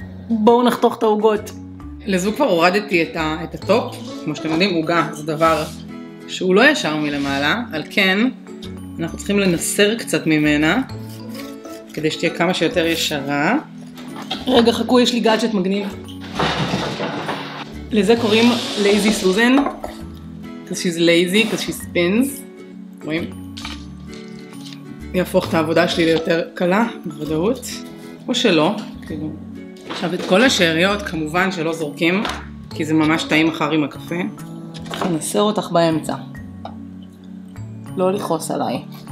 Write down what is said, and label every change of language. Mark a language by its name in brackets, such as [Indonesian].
[Hebrew] בואו נחתוך את העוגות. לזו כבר הורדתי את הטופ. כמו שאתם יודעים, עוגה זה דבר שהוא לא ישר מלמעלה, על כן אנחנו צריכים לנסר קצת ממנה כדי שתהיה כמה שיותר ישרה. רגע, חכו, יש לי גאדג'ט מגניב. לזה קוראים [English] lazy Susan, because she's lazy, because she spins. [Hebrew] רואים? אני אהפוך את העבודה שלי ליותר קלה, בוודאות. או שלא, כאילו. עכשיו את כל השאריות כמובן שלא זורקים, כי זה ממש טעים אחר עם הקפה. נסר אותך באמצע. לא לכעוס עליי.